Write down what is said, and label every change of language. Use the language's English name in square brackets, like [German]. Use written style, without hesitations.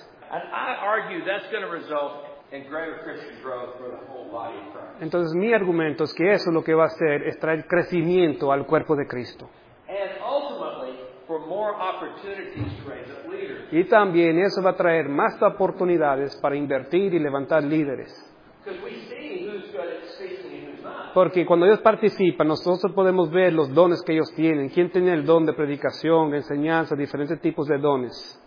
[English] And I argue that's going to result in greater Christian growth for the whole body of Christ. [Spanish] Entonces mi argumento es que eso lo que va a hacer es traer crecimiento al cuerpo de Cristo. [English] And ultimately, for more opportunities to raise up leaders. [Spanish] Y también eso va a traer más oportunidades para invertir y levantar líderes. [English] Because we see who's good at speaking and who's not. [Spanish] Porque cuando ellos participan, nosotros podemos ver los dones que ellos tienen. ¿Quién tiene el don de predicación, de enseñanza, diferentes tipos de dones?